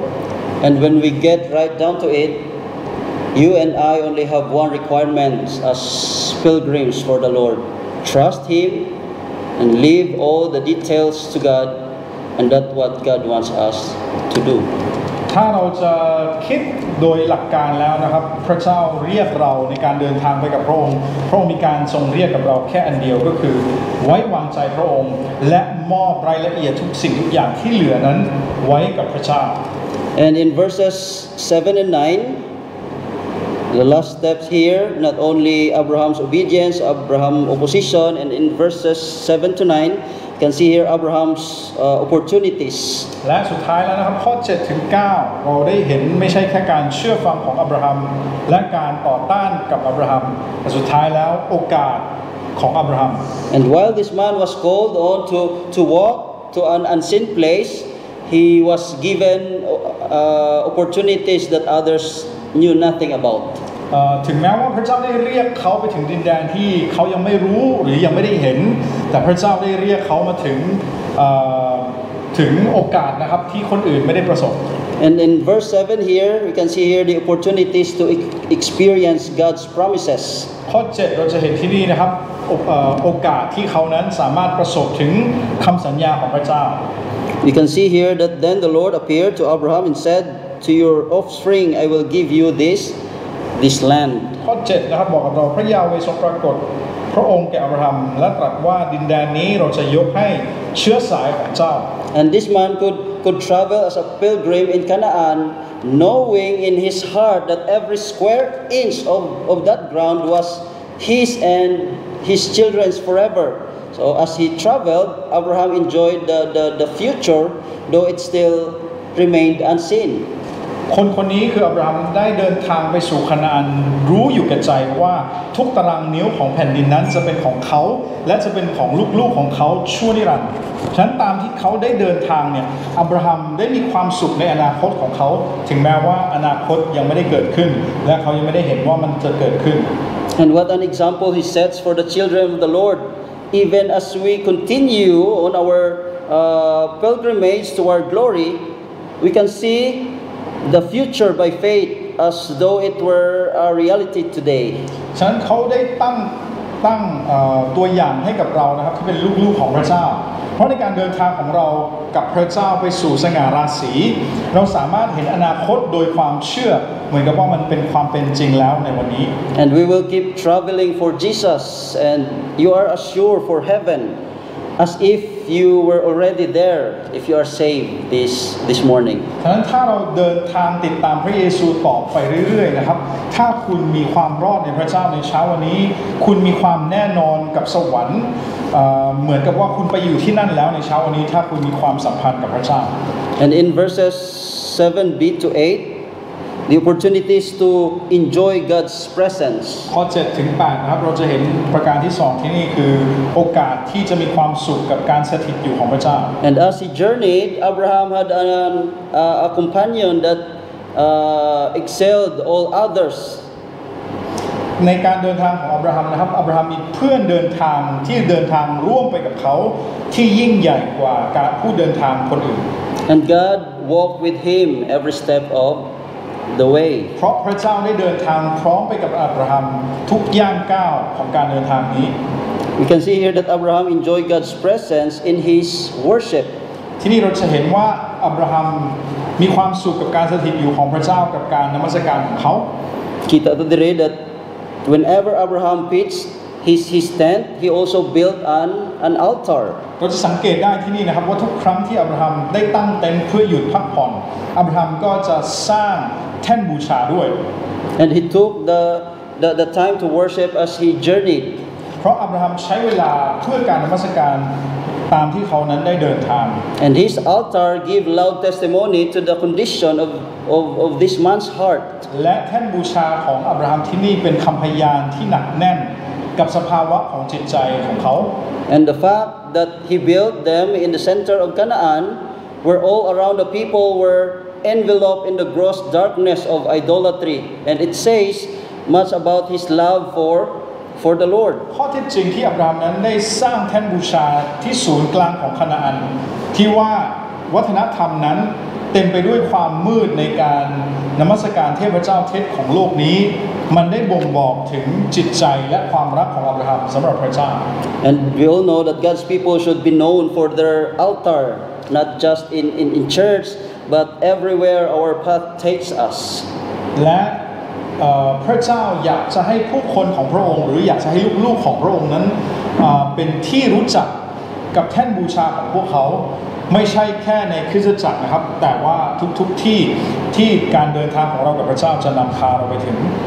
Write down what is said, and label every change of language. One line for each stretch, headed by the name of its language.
English: And when we get right down to it,You and I only have one requirement as pilgrims for the Lord. Trust Him and leave all the details to God, and that's what God wants us to do.
Thai: ถ้าเราจะคิดโดยหลักการแล้วนะครับพระเจ้าเรียกเราในการเดินทางไปกับพระองค์พระองค์มีการทรงเรียกกับเราแค่อันเดียวก็คือไว้วางใจพระองค์และมอบรายละเอียดทุกสิ่งทุกอย่างที่เหลือนั้นไว้กับพระเจ้า
English: And in verses 7 and 9The last steps here, not only Abraham's obedience, Abraham's opposition, and in verses 7 to 9, you can see here Abraham's opportunities.
Thai: และสุดท้ายแล้วนะครับข้อ7ถึง9เราได้เห็นไม่ใช่แค่การเชื่อฟังของอับราฮัมและการต่อต้านกับอับราฮัมแต่สุดท้ายแล้วโอกาสของอับราฮัม
English: And while this man was called on to walk to an unseen place, he was given opportunities that others knew nothing about.
Thai: ถึงแม้ว่าพระเจ้าได้เรียกเขาไปถึงดินแดนที่เขายังไม่รู้หรือยังไม่ได้เห็นแต่พระเจ้าได้เรียกเขามาถึงโอกาสนะครับที่คนอื่นไม่ได้ประสบ
English: And in verse 7 here we can see here the opportunities to experience God's promises.
Thai: ข้อ7เราจะเห็นที่นี่นะครับโอกาสที่เขานั้นสามารถประสบถึงคำสัญญาของพระเจ้า
English: We can see here that then the Lord appeared to Abraham and said,To your offspring, I will give you this land.
Thai: ข้อ7นะครับบอกกับเราพระยาเวทรงปรากฏพระองค์แก่อับราฮัมและตรัสว่าดินแดนนี้เราจะยกให้เชื้อสายของเจ้า
English: And this man could travel as a pilgrim in Canaan, knowing in his heart that every square inch of that ground was his and his children's forever. So as he traveled, Abraham enjoyed the future, though it still remained unseen.
Thai: คนคนนี้คืออับราฮัมได้เดินทางไปสู่คานาอันรู้อยู่แก่ใจว่าทุกตารางนิ้วของแผ่นดินนั้นจะเป็นของเขาและจะเป็นของลูกๆของเขาชั่วนิรันดร์ฉะนั้นตามที่เขาได้เดินทางเนี่ยอับราฮัมได้มีความสุขในอนาคตของเขาถึงแม้ว่าอนาคตยังไม่ได้เกิดขึ้นและเขายังไม่ได้เห็นว่ามันจะเกิดขึ้น
English: And what an example he sets for the children of the Lord even as we continue on our pilgrimage toward glory we can seeThe future by faith, as though it were a reality today.
Thai: ฉะนั้นเขาได้ตั้ง ตั้งตัวอย่างให้กับเรานะครับที่เป็นลูกๆของพระเจ้าเพราะในการเดินทางของเรากับพระเจ้าไปสู่สง่าราศีเราสามารถเห็นอนาคตโดยความเชื่อเหมือนกับว่ามันเป็นความเป็นจริงแล้วในวันนี้
English: And we will keep traveling for Jesus and you are assured for heaven as if you were already there if you are saved this morning
Thai: ฉะนั้นถ้าเราเดินทางติดตามพระเยซูต่อไปเรื่อยๆนะครับถ้าคุณมีความรอดในพระเจ้าในเช้าวันนี้คุณมีความแน่นอนกับสวรรค์เหมือนกับว่าคุณไปอยู่ที่นั่นแล้วในเช้าวันนี้ถ้าคุณมีความสัมพันธ์กับพระเจ้า
English: And in verses 7b to 8The opportunities to enjoy God's presence.
Thai: ข้อ7ถึง8นะครับเราจะเห็นประการที่2ที่นี่คือโอกาสที่จะมีความสุขกับการสถิตอยู่ของพระเจ้า
English: And as he journeyed, Abraham had a companion that excelled all others.
Thai: ในการเดินทางของอับราฮัมนะครับอับราฮัมมีเพื่อนเดินทางที่เดินทางร่วมไปกับเขาที่ยิ่งใหญ่กว่าการผู้เดินทางคนอื่น
English: And God walked with him every step ofthe way
Thai: เพราะพระเจ้าได้เดินทางพร้อมไปกับอับราฮัมทุกย่างก้าวของการเดินทางนี้
English: We can see here that Abraham enjoyed God's presence in his worship
Thai: ที่นี่เราจะเห็นว่าอับราฮัมมีความสุขกับการสถิตอยู่ของพระเจ้ากับการนมัสการของเขา
English: Kita tadi that whenever Abraham pitched his tent he also built an altar
Thai: เราจะสังเกตได้ที่นี่นะครับว่าทุกครั้งที่อับราฮัมได้ตั้งเต็นท์เพื่อหยุดพักผ่อนอับราฮัมก็จะสร้างแท่นบูชาด้วย
English: and he took the time to worship as he journeyed
Thai: เพราะอับราฮัมใช้เวลาเพื่อการนมัสการตามที่เขานั้นได้เดินทาง
English: and his altar gave loud testimony to the condition of this man's heart
Thai: และแท่นบูชาของอับราฮัมที่นี่เป็นคำพยานที่หนักแน่นกับสภาวะของจิตใจของเขา
English: and the fact that he built them in the center of Canaan where all around the people wereenveloped in the gross darkness of idolatry and it says much about his love for the Lord
Thai: ข้อที่จริงที่อับราฮัมนั้นได้สร้างแท่นบูชาที่ศูนย์กลางของคานาอันที่ว่าวัฒนธรรมนั้นเต็มไปด้วยความมืดในการนมัสการเทพเจ้าเท็จของโลกนี้มันได้บ่งบอกถึงจิตใจและความรักของอับราฮัมสำหรับพระเจ้า
English: and we all know that God's people should be known for their altar not just in churchBut everywhere our path takes us.
Thai: และพระเจ้าอยากจะให้ผู้คนของพระองค์หรืออยากจะให้ลูกๆของพระองค์นั้นเป็นที่รู้จักกับแท่นบูชาของพวกเขาไม่ใช่แค่ในคริสตจักรนะครับแต่ว่าทุกๆที่ที่การเดินทางของเรากับพระเจ้าจะนำพาเราไปถึง